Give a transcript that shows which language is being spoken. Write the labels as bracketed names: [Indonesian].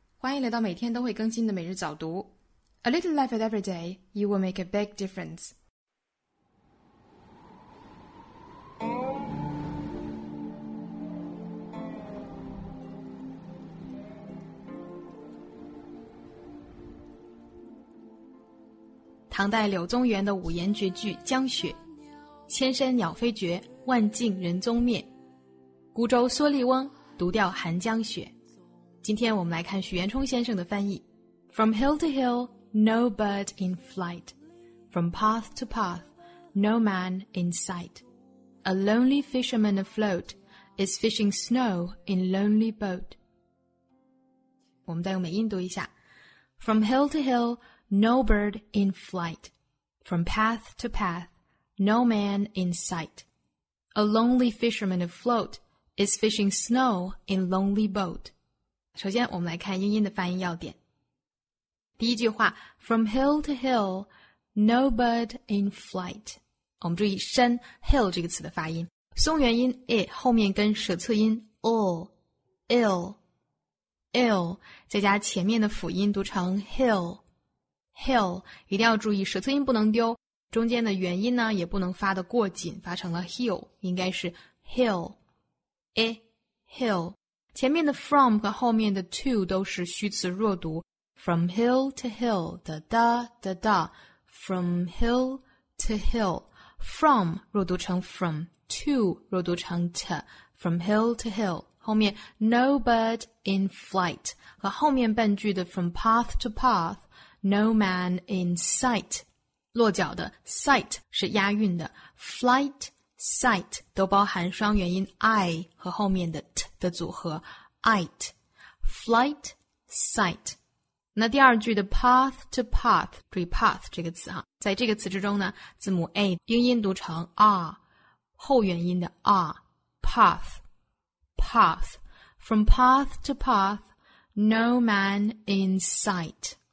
[Chinese] 欢迎来到每天都会更新的每日早读。 [English] A little life at every day, you will make a big difference. [Chinese] 唐代柳宗元的五言绝句《江雪》，千山鸟飞绝，万径人踪灭。孤舟蓑笠翁，独钓寒江雪。今天我们来看许渊冲先生的翻译。 [English] From hill to hill, no bird in flight. From path to path, no man in sight. A lonely fisherman afloat is fishing snow in lonely boat. [Chinese] 我们再用美音读一下。 [English] From hill to hill,No bird in flight. From path to path, no man in sight. A lonely fisherman afloat is fishing snow in lonely boat. [Chinese] 首先我们来看英音的发音要点。第一句话 [English] ,from hill to hill, no bird in flight. [Chinese] 我们注意深 hill 这个词的发音。松元音 i 后面跟舌侧音 ill, 再加前面的辅音读成 hill, 一定要注意舌侧音不能丢，中间的元音呢也不能发得过紧，发成了 hill, 应该是 hill, 前面的 from 和后面的 to 都是虚词弱读 , [English] from hill to hill, [Chinese] 的 da, 的 da, from hill to hill, from 弱读成 from, to 弱读成 ta, from hill to hill, 后面 [English] no bird in flight, 和后面半句的 from path to path,No man in sight, [Chinese] 落脚的 sight 是押韵的 flight, sight 都包含双元音 I 和后面的 t 的组合 it, flight, sight. 那第二句的 path to path, 注意 path 这个词哈，在这个词之中呢，字母 a 英音读成 r, 后元音的 r, path, path, [English] from path to path, no man in sight.